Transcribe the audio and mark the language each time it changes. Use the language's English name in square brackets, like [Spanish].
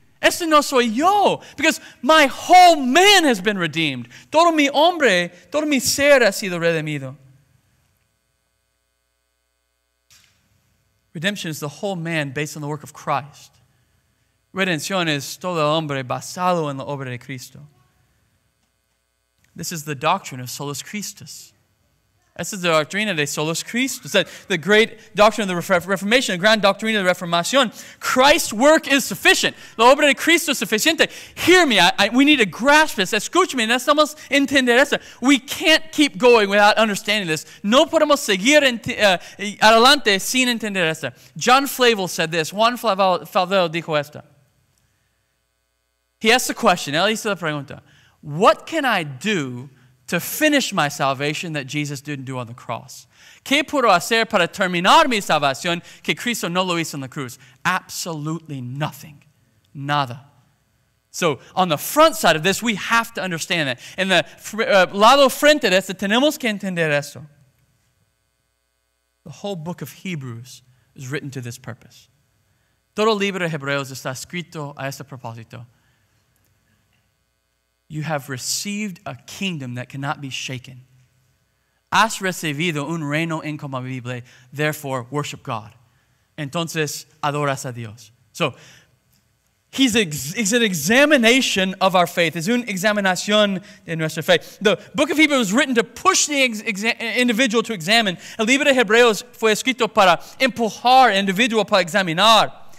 [Spanish] Este no soy yo, [English] because my whole man has been redeemed. [Spanish] Todo mi hombre, todo mi ser ha sido redimido. [English] Redemption is the whole man based on the work of Christ. [Spanish] Redención es todo el hombre basado en la obra de Cristo. [English] This is the doctrine of Solus Christus. This is the doctrine of Solus Christus, the great doctrine of the Reformation, the grand doctrine of the Reformation. Christ's work is sufficient. [Spanish] La obra de Cristo es suficiente. [English] Hear me. We need to grasp this. [Spanish] Escúchame. Necesitamos entender esto. [English] We can't keep going without understanding this. [Spanish] No podemos seguir adelante sin entender esto. [English] John Flavel said this. [Spanish] Juan Flavel dijo esto. [English] He asked the question. [Spanish] Él hizo la pregunta. [English] What can I do to finish my salvation that Jesus didn't do on the cross? [Spanish] ¿Qué puedo hacer para terminar mi salvación que Cristo no lo hizo en la cruz? [English] Absolutely nothing. [Spanish] Nada. [English] So on the front side of this, we have to understand that. [Spanish] En el lado frente de esto, tenemos que entender esto. [English] The whole book of Hebrews is written to this purpose. [Spanish] Todo el libro de Hebreos está escrito a este propósito. [English] You have received a kingdom that cannot be shaken. [Spanish] Has recibido un reino incomovible, [English] therefore worship God. [Spanish] Entonces, adoras a Dios. [English] So, he's an examination of our faith. [Spanish] Es una examinación de nuestra fe. [English] The book of Hebrews was written to push the individual to examine. [Spanish] El libro de Hebreos fue escrito para empujar al individual para examinar.